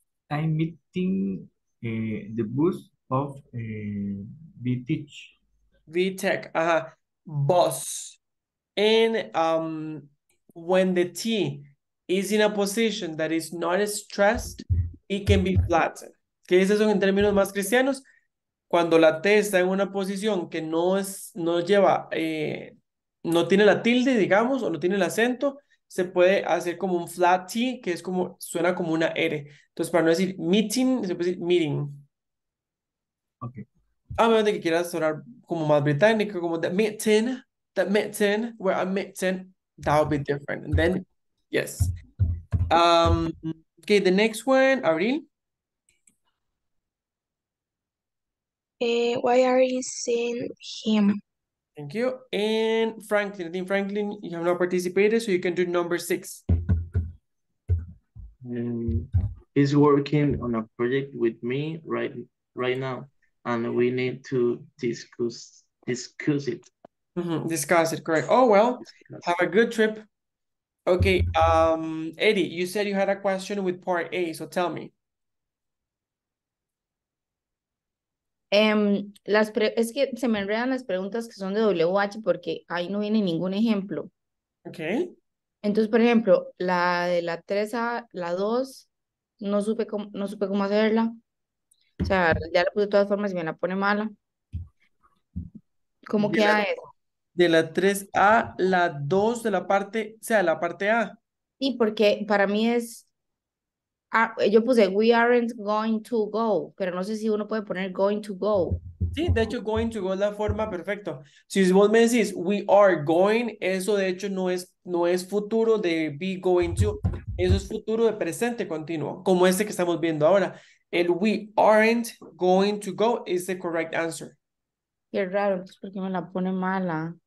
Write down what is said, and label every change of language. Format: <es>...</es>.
<en>I'm meeting the bus of VTech. VTech, bus. And when the T is in a position that is not stressed, it can be flat.</en> <es>¿Qué dices en términos más cristianos? Cuando la T está en una posición que no lleva, no tiene la tilde, digamos, o no tiene el acento, se puede hacer como un flat T, que es como, suena como una R. Entonces, para no decir meeting, se puede decir meeting.</es> <en>Okay.</en> <es>A menos de que quieras sonar como más británico, como</es> <en>the meeting, where I'm meeting, that would be different. And then, yes. Okay, the next one, Abril. Why are you seeing him? Thank you. And Franklin, I think Franklin, you have not participated, so you can do number six. He's working on a project with me right now, and we need to discuss it. Mm-hmm. Discuss it, correct. Oh, well, have a good trip. Okay, Eddie, you said you had a question with part A, so tell me.</en> <es>Es que se me enredan las preguntas que son de WH porque ahí no viene ningún ejemplo.</es> <en>Okay.</en> <es>Entonces, por ejemplo, la de la 3A, la 2, no supe cómo hacerla. O sea, ya la puse de todas formas y me la pone mala. ¿Cómo de queda eso? De la 3A, la 2 de la parte, o sea, la parte A. Sí, porque para mí es... yo puse,</es> <en>we aren't going to go,</en> <es>pero no sé si uno puede poner</es> <en>going to go.</en> <es>Sí, de hecho,</es> <en>going to go</en> <es>es la forma perfecta. Si vos me decís,</es> <en>we are going,</en> <es>eso de hecho no es futuro de be going to, eso es futuro de presente continuo, como este que estamos viendo ahora.</es> <en>El we aren't going to go is the correct answer.</en> <es>Qué raro, es porque me la pone mala.</es>